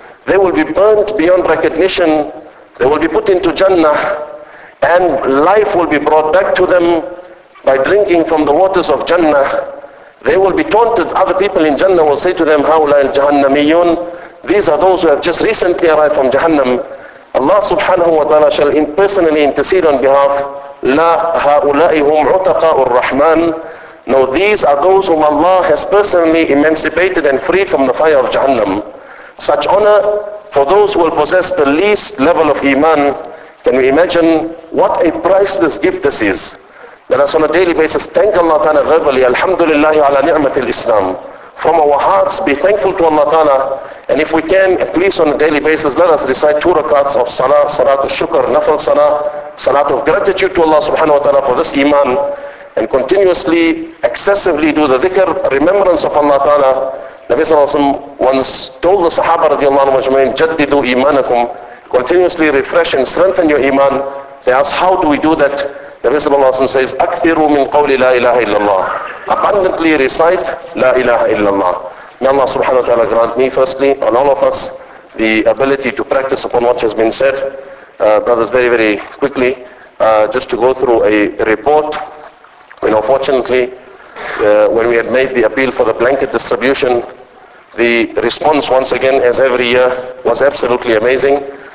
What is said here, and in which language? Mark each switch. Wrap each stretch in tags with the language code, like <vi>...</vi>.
<en>They will be burnt beyond recognition. They will be put into Jannah. And life will be brought back to them by drinking from the waters of Jannah. They will be taunted. Other people in Jannah will say to them,</en> <ar>هؤلاء الجهنميون.</ar> <en>These are those who have just recently arrived from Jahannam. Allah subhanahu wa ta'ala shall personally intercede on behalf.</en> <ar>لا هؤلاء هم عتقاء الرحمن.</ar> <en>No, these are those whom Allah has personally emancipated and freed from the fire of Jahannam. Such honor for those who will possess the least level of Iman. Can we imagine what a priceless gift this is? Let us on a daily basis thank Allah Ta'ala verbally,</en> <ar>Alhamdulillahi ala ni'matil Islam.</ar> <en>From our hearts, be thankful to Allah Ta'ala. And if we can, at least on a daily basis, let us recite 2 rakats of Salah, Salat al-Shukr, Nafal Salah, Salat of gratitude to Allah Subhanahu wa Ta'ala for this Iman. And continuously, excessively do the dhikr, remembrance of Allah Ta'ala. Nabi Sallallahu Alaihi Wasallam once told the Sahaba radiallahu anhu ajma'in,</en> <ar>jaddidu imanakum,</ar> <en>continuously refresh and strengthen your Iman. They asked, how do we do that? The Messenger of Allah says,</en> <ar>أكثروا من قول لا إله إلا الله.</ar> <en>Abundantly recite</en> <ar>لا إله إلا الله.</ar> <en>May Allah subhanahu wa ta'ala grant me firstly and all of us the ability to practice upon what has been said. Brothers, very, very quickly, just to go through a report. You know, fortunately, when we had made the appeal for the blanket distribution, the response once again, as every year, was absolutely amazing.</en>